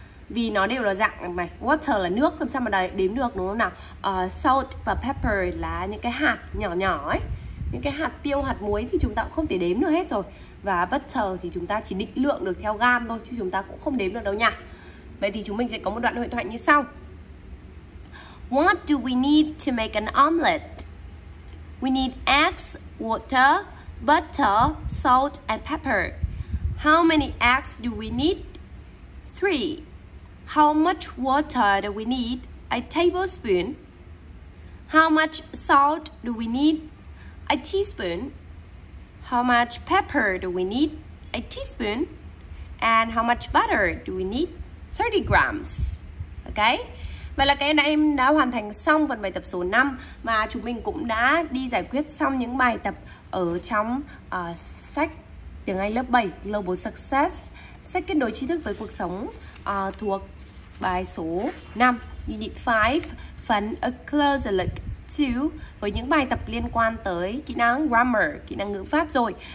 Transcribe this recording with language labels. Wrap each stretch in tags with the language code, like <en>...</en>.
<vi>Vì nó đều là dạng này, water là nước, làm sao mà đếm được, đúng không nào? Salt và pepper là những cái hạt nhỏ nhỏ ấy, những cái hạt tiêu, hạt muối thì chúng ta cũng không thể đếm được hết rồi. Và butter thì chúng ta chỉ định lượng được theo gam thôi, chứ chúng ta cũng không đếm được đâu nha. Vậy thì chúng mình sẽ có một đoạn hội thoại như sau.</vi> <en>What do we need to make an omelette? We need eggs, water, butter, salt, and pepper. How many eggs do we need? 3. How much water do we need? A tablespoon. How much salt do we need? A teaspoon. How much pepper do we need? A teaspoon. And how much butter do we need? 30 grams. Okay?</en> <vi>Vậy là các em đã hoàn thành xong phần bài tập số 5 mà chúng mình cũng đã đi giải quyết xong những bài tập ở trong sách tiếng Anh lớp 7 Global Success, sách kết nối tri thức với cuộc sống thuộc bài số 5 Unit 5 phần A Closer Look To với những bài tập liên quan tới kỹ năng grammar, kỹ năng ngữ pháp rồi.</vi>